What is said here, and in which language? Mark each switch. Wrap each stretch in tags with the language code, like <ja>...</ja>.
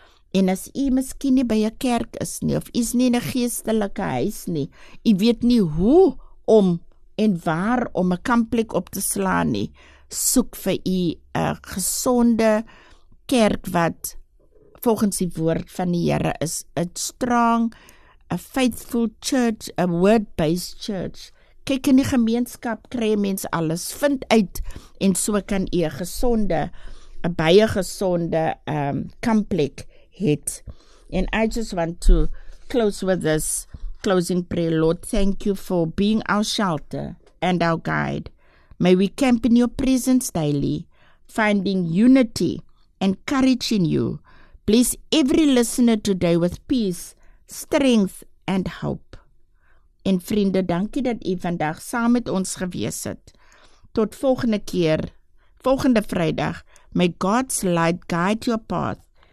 <af>En as jy miskien nie by 'n kerk is nie, of is nie in 'n geestelike huis nie, jy weet nie hoe om en waar om 'n kampplek op te slaan nie, soek vir jy 'n gesonde kerk wat volgens die woord van die Here is, 'n strong, 'n</af> <en>faithful church,</en> <af>'n</af> <en>word-based church.</en> <af>Kyk in die gemeenskap, kry mens alles, vind uit, en so kan jy 'n gesonde, 'n baie gesonde kampplek hit.</af> <en>And I just want to close with this closing prayer. Lord, thank you for being our shelter and our guide. May we camp in your presence daily, finding unity and courage in you. Bless every listener today with peace, strength and hope.</en> <af>En vriende, dankie dat u vandag saam met ons gewees het. Tot volgende keer, volgende Vrydag.</af> <en>May God's light guide your path</en>